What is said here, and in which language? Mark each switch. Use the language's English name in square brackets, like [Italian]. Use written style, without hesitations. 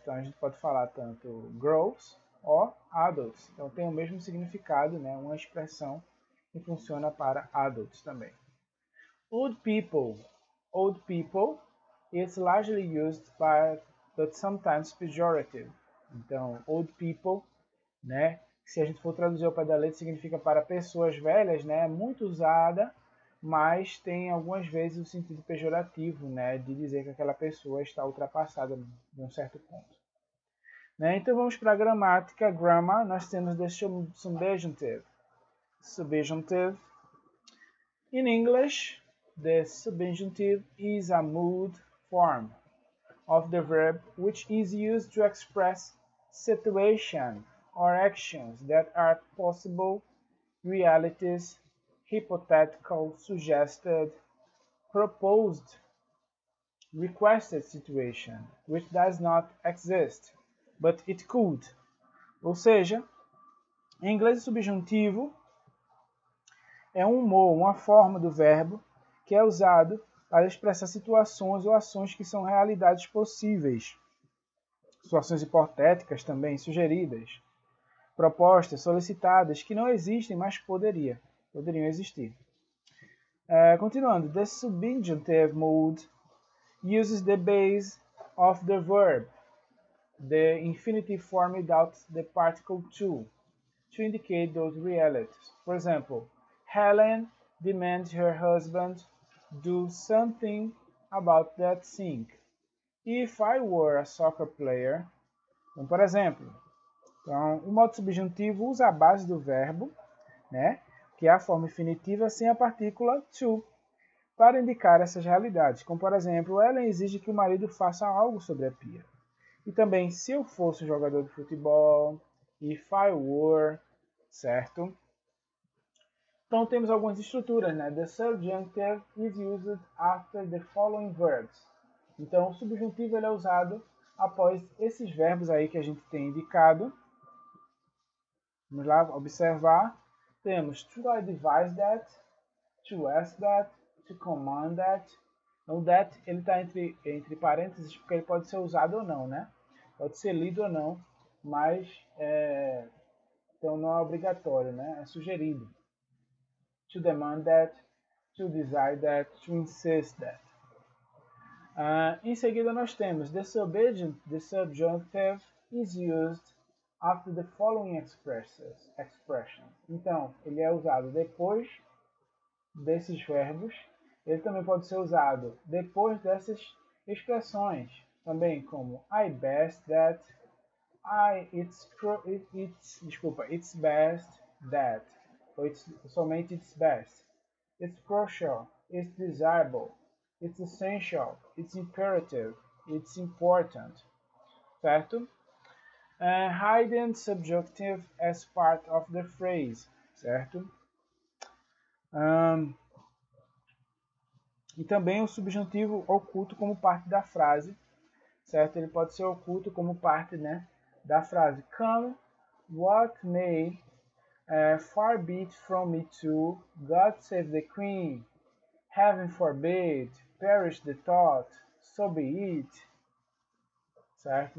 [Portuguese] Então, a gente pode falar tanto groves ou adults. Então, tem o mesmo significado, né, uma expressão que funciona para adults também. [English] Old people is largely used but sometimes pejorative. [Portuguese] Então, old people, né, se a gente for traduzir ao pé da letra, significa para pessoas velhas, né, muito usada, mas tem algumas vezes o sentido pejorativo, né, de dizer que aquela pessoa está ultrapassada de um certo ponto. Né? Então, vamos para a gramática, grammar. Nós temos desse subjuntivo. Subjunctive. [English] In English, the subjunctive is a mood form of the verb which is used to express situation or actions that are possible, realities, hypothetical, suggested, proposed, requested situation, which does not exist, but it could. [Portuguese] Ou seja, em inglês, subjuntivo é um mot, uma forma do verbo que é usado para expressar situações ou ações que são realidades possíveis. Situações hipotéticas também, sugeridas. Propostas, solicitadas, que não existem, mas poderiam existir. Continuando. [English] The subjunctive mood uses the base of the verb, the infinitive form without the particle to indicate those realities. For example, Helen demands her husband do something about that thing. If I were a soccer player. [Portuguese] Então, por exemplo, então, o modo subjuntivo usa a base do verbo, né, que é a forma infinitiva sem a partícula to, para indicar essas realidades. Como, por exemplo, Helen exige que o marido faça algo sobre a pia. E também, se eu fosse um jogador de futebol, [English] if I were, [Portuguese] certo? Então, temos algumas estruturas, né? [English] The subjunctive is used after the following verbs. [Portuguese] Então, o subjuntivo ele é usado após esses verbos aí que a gente tem indicado. Vamos lá observar. Temos [English] to advise that, to ask that, to command that. [Portuguese] Então, that ele está entre parênteses porque ele pode ser usado ou não, né? Pode ser lido ou não, mas então não é obrigatório, né? É sugerido. [English] To demand that, to desire that, to insist that. [Portuguese] Em seguida, nós temos [English] the subjunctive is used after the following expression. [Portuguese] Então, ele é usado depois desses verbos. Ele também pode ser usado depois dessas expressões, também como [English] I best that, I it's it's [Portuguese] desculpa, [English] it's best that. [Portuguese] Ou somente [English] it's best. It's crucial. It's desirable. It's essential. It's imperative. It's important. [Portuguese] Certo? [English] Hidden subjunctive as part of the phrase. [Portuguese] Certo? E também o subjuntivo oculto como parte da frase, certo? Ele pode ser oculto como parte, né, da frase. [English] Come, what may, far be it from me to, God save the Queen, heaven forbid, perish the thought, so be it. [Portuguese] Certo?